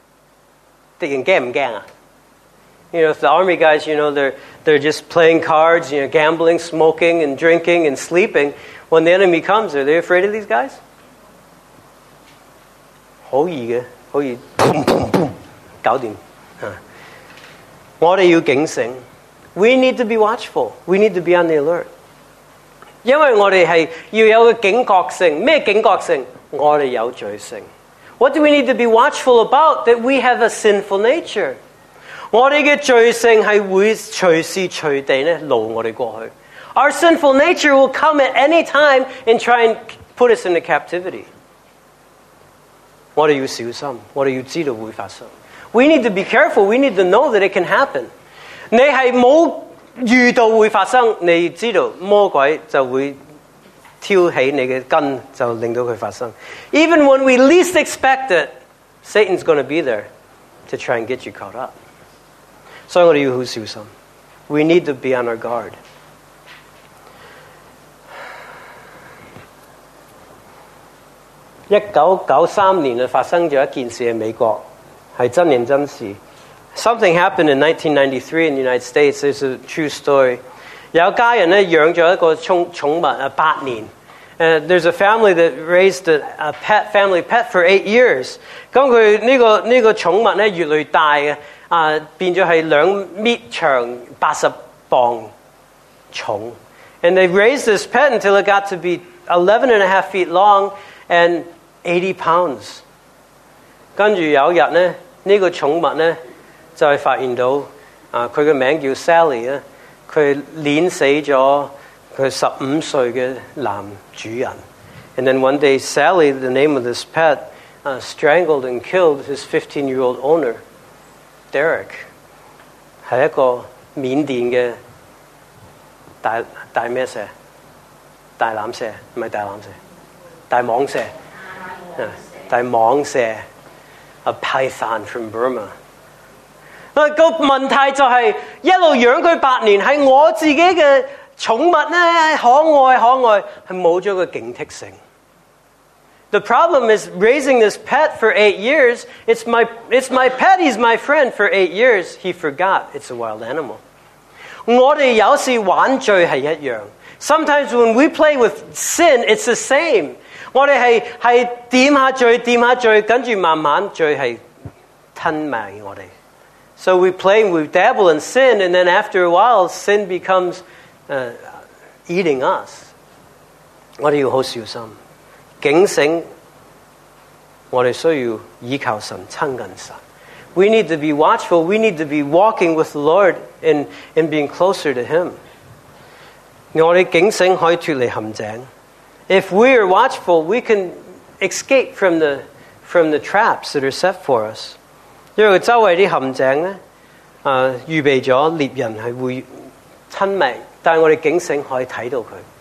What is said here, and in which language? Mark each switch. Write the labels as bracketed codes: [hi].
[zh] 如果軍人夜晚是玩啤牌,喝酒,睡覺,那敵人來,敵人怕不怕? [en] You know, if the army guys, you know, they're just playing cards, you know, gambling, smoking, and drinking, and sleeping, when the enemy comes, are they afraid of these guys? [zh] 可以的,可以,砰砰砰,搞定。我们要警醒, [en] we need to be watchful, we need to be on the alert. [zh] 因为我们是要有警觉性,什么警觉性? 我们有罪性。 [en] What do we need to be watchful about? That we have a sinful nature. [zh] 我们的罪性是会随时随地掳我们过去。 [en] Our sinful nature will come at any time and try and put us into captivity. [zh] 我们要小心, 我们要知道会发生。 [en] We need to be careful. We need to know that it can happen. [zh] 你係冇遇到會發生，你知道魔鬼就會挑起你嘅根，就令到佢發生。 [en] Even when we least expect it, Satan's going to be there to try and get you caught up. [zh] 所以我哋要好小心。 We need to be on our guard. 1993年發生了一件事在美國，是真人真事。 [en] Something happened in 1993 in the United States. It's a true story. [zh] 有家人養了一個寵物八年。 [en] There's a family that raised a pet, family pet for 8 years. [zh] 那他這個寵物越來越大，變成兩米長80磅重。 [en] And they raised this pet until it got to be 11 and a half feet long and 80 pounds. [zh] 跟住有一天呢，这个宠物呢就是发现到他的名字叫 Sally， 他碾死了他15岁的男主人。 [en] And then one day Sally, the name of this pet, strangled and killed his 15-year-old owner, Derek. [zh] 是一个缅甸的大咩蛇？大蓝蛇？不是大蓝蛇，大蟒蛇。大蟒蛇。 [en] A python from Burma. [zh] 那個問題就是一路養佢八年，是我自己的寵物呢，可愛可愛，是冇咗個警惕性。 [en] The problem is raising this pet for 8 years. It's my pet. He's my friend for 8 years. He forgot it's a wild animal. [zh] 我哋有時玩罪係一樣。 [en] Sometimes when we play with sin, it's the same. [zh] 我哋系点下罪，点下罪，跟住慢慢罪系吞埋我哋。 [en] So we play, we dabble in sin, and then after a while, sin becomes eating us. [zh] 我哋要好小心，警醒。我哋需要依靠神，亲近神。 [en] We need to be watchful. We need to be walking with the Lord and being closer to Him. [zh] 我哋警醒可以脱离陷阱。 [en] If we are watchful, we can escape from the traps that are set for us. [zh] 因为周围啲陷阱咧，预备咗猎人系会吞灭，但系我哋警醒可以睇到佢。